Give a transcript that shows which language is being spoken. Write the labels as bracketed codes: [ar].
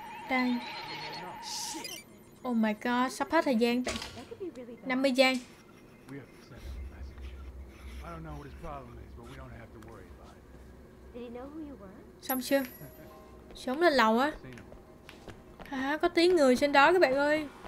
[vi] Đây. [en] Oh my god, [vi] sắp hết thời gian bạn. 50 giây. [en] We have to send a message. I don't know what his problem is, but we don't have to worry about it. Did he know who you were? [vi] Xong chưa? Xuống lên lầu á. À, có tiếng người trên đó các bạn ơi.